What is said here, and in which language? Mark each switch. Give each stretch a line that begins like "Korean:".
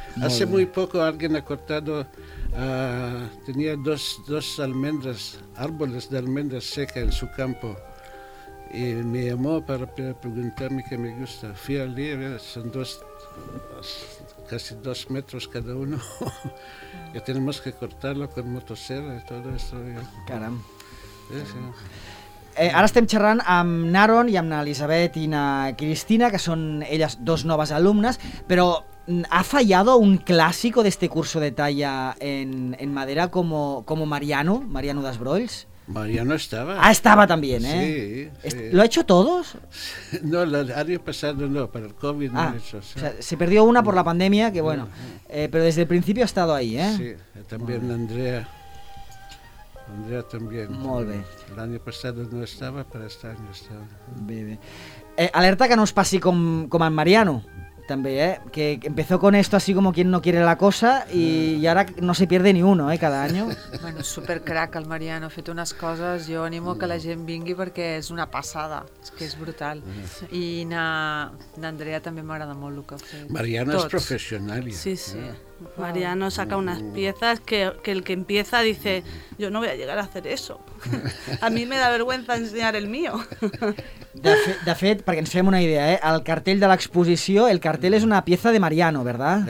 Spanish: Hace muy poco alguien ha cortado, tenía dos almendras, árboles de almendras secas en su campo. Y me llamó para preguntarme qué me gusta. Fui al día, son dos casi 2 metros cada uno. Y tenemos que cortarlo con motosierra y todo esto.
Catalan: Caram. Ara estem xerrant amb n'Aaron i amb n'Elisabet i na Cristina, que són elles dos noves alumnes, però
Spanish: ha fallado un clàssico d'este curso de talla en madera
Catalan: com Mariano Desbrolls?
Spanish: Mariano estaba. Ah, estaba también, ¿eh? Sí, sí. ¿Lo ha hecho todos? No, el año pasado no, pero el COVID no lo he hecho. O sea, se perdió una por la pandemia, que bueno. Pero desde el principio ha estado ahí, ¿eh? Sí, también Andrea también.
Catalan: Molt bé.
Spanish: El año pasado no estaba, pero este año estaba. Bé. Alerta que no os pase como al Mariano. También, ¿eh? Que empezó con esto así como quien no quiere la cosa y ahora no se pierde ni uno, ¿eh? Cada año.
Catalan: Bueno, súper crack el Mariano, ha fet unes coses, jo animo que la gent vingui perquè és una passada, és que és brutal. I n'Andrea també m'agrada molt el que ha fet. Mariano és professional. Sí, sí.
Spanish: Mariano saca unas piezas que el que empieza dice, yo no voy a llegar a hacer eso. A mí me da vergüenza enseñar el mío.
Catalan: De fet, perquè ens fem una idea, ¿eh? El cartell de l'exposició, el cartell és
Spanish: una pieza de Mariano, ¿verdad?